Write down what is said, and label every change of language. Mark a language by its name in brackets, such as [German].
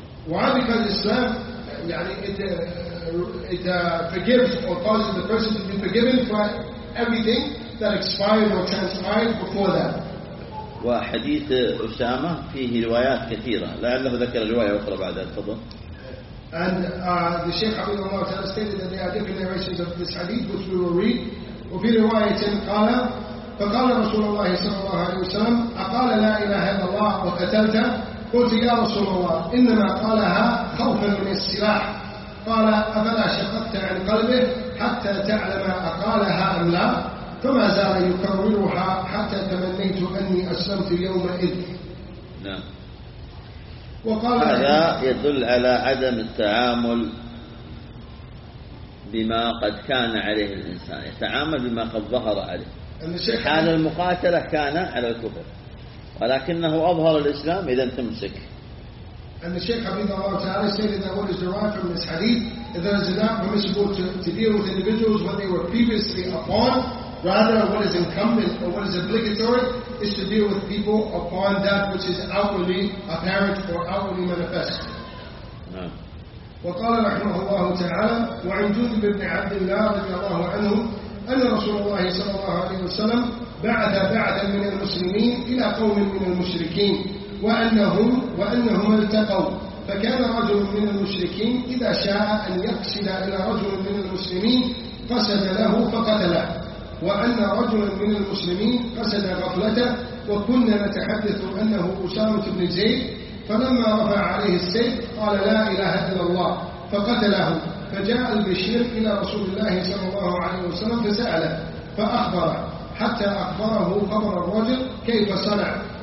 [Arabic] وعليك الإسلام يعني [English] it forgives or causes the person to be forgiven for everything that expired or transpired before that. [Arabic] وحديث أسامة فيه روايات كثيرة. لعله ذكر رواية أخرى بعد الفضل. [English] And the Sheikh Abu Umar has stated that there are different narrations of this hadith which we will read. [Arabic] وفي رواية قال فقال رسول الله صلى الله عليه وسلم أقال لا إله إلا الله وقتلت؟ قلت يا رسول الله إنما قالها خوفا من السلاح. قال أفلا شققت عن قلبه حتى تعلم أقالها أم لا؟ فما زال يكررها حتى تمنيت أني أسلمت يومئذ. نعم. وقال هذا يدل على عدم التعامل بما قد كان عليه الإنسان، يتعامل بما قد ظهر عليه. حال المقاتلة كان على الكفر، ولكنه أظهر الإسلام إذا تمسك. [English] And the Shaykh Habib Allah Ta'ala stated that what is derived from this hadith is that it is not permissible to deal with individuals what they were previously upon. Rather, what is incumbent or what is obligatory is to deal with people upon that which is outwardly apparent or outwardly manifest. [Arabic] وقال رحمه الله تعالى وعن جندب بن عبد الله رضي الله عنه أن رسول الله صلى الله عليه وسلم بعث بعثا من المسلمين إلى قوم من المشركين وأنهم التقوا فكان رجل من المشركين إذا شاء أن يقصد إلى رجل من المسلمين قصد له فقتله وأن رجل من المسلمين قصد غفلته وكنا نتحدث أنه أسامة بن زيد فلما رفع عليه السيف قال لا إله إلا الله فقتله فجاء البشير إلى رسول الله صلى الله عليه وسلم فسأله فأخبره حتى أخبره خبر الرجل كيف صنع